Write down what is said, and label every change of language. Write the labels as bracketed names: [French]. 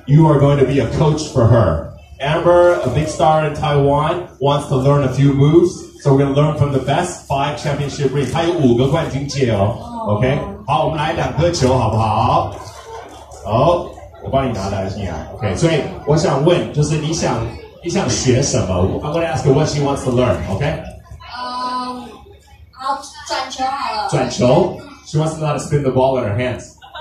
[English] You are going to be a coach for her. Amber, a big star in Taiwan, wants to learn a few moves. So we're going to learn from the best five championship rings. [Chinese] 他有五个冠军戒哦。OK? 好，我们来两颗球好不好？好，我帮你拿来，欣雅。 OK, 所以我想问，就是你想学什么？ [English] I'm going to ask her what she wants to learn. OK? [Chinese] 好，转球好了。转球？ [English] She wants to know how to spin the ball in her hands.